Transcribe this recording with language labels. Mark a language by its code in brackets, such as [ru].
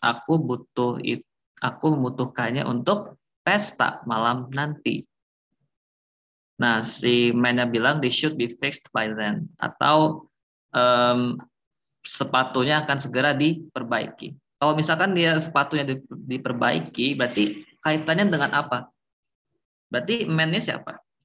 [id] Aku membutuhkannya untuk pesta malam nanti. Nah, si man-nya bilang, [en] "They should be fixed by then." [id] Atau sepatunya akan segera diperbaiki. Kalau misalkan dia sepatunya diperbaiki, berarti kaitannya dengan apa? Berarti man-nya siapa?